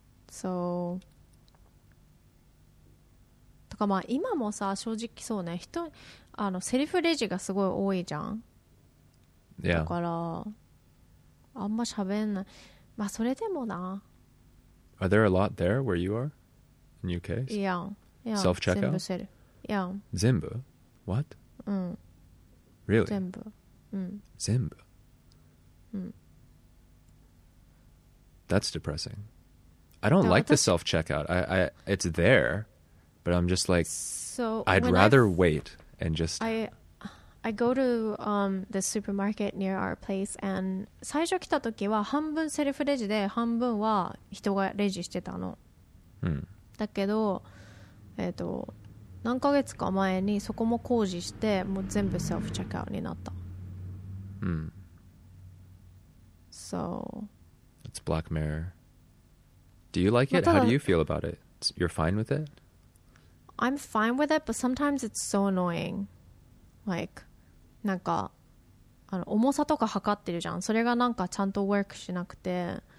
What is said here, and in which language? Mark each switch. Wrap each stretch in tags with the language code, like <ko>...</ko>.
<ja>So, とかまあ今もさ正直そうね、人あのセルフレジがすごい多いじゃん。</ja> <en>Yeah.</en> <ja>だからあんま喋んない。まあそれでもな。</ja> <en>Are there a lot there where you are in UK? Yeah, yeah. Self checkout.</en> <ja>全部セル。Yeah. 全部。What? うん。</ja> <en>Really?</en> <ja>全部。うん。全部。うん。</ja> <en>That's depressing. I don't like the self checkout. I it's there, but I'm just like, so I'd rather wait and just. I go to the supermarket near our place, and</en> <ja>最初来た時は半分セルフレジで半分は人がレジしてたの。だけど、何ヶ月か前にそこも工事してもう全部セルフチェックアウトになった。</ja> <en>So. It's Black Mirror. Do you like it? How do you feel about it? You're fine with it? I'm fine with it, but sometimes it's so annoying.</en> <ja>Like, なんかあの重さとか測ってるじゃん。それがなんかちゃんとワークしなくて。</ja>